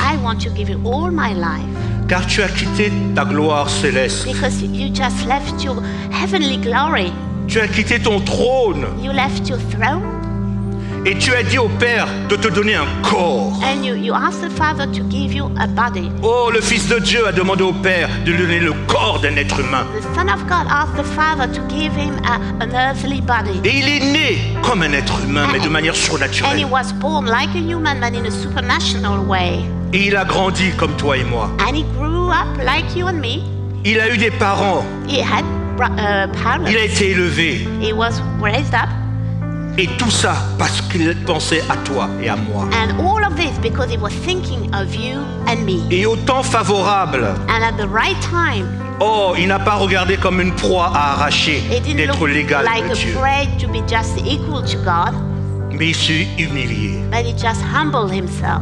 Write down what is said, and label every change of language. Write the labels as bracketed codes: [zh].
[en] I want to give you all my life. [fr] Car tu as quitté ta gloire céleste. [en] Because you just left your heavenly glory. [fr] Tu as quitté ton trône. [en] You left your throne. [fr] Et tu as dit au Père de te donner un corps. [en] And you asked the Father to give you a body. [fr] Oh, le Fils de Dieu a demandé au Père de lui donner le corps d'un être humain. [en] The Son of God asked the Father to give him an earthly body. [fr] Et il est né comme un être humain, mais de manière surnaturelle. [en] And he was born like a human, but in a supernatural way. [fr] Et il a grandi comme toi et moi. [en] And he grew up like you and me. [fr] Il a eu des parents. [en] He had parents. [fr] Il a été élevé. [en] He was raised up. [fr] Et tout ça parce qu'il pensait à toi et à moi. [en] And all of this because he was thinking of you and me. [fr] Et au temps favorable. [en] And at the right time. [fr] Oh, il n'a pas regardé comme une proie à arracher d'être l'égal [en] like [fr] de [en] a [fr] Dieu. [en] Prey to be just equal to God. [fr] Mais il s'est humilié. [en] But he just humbled himself.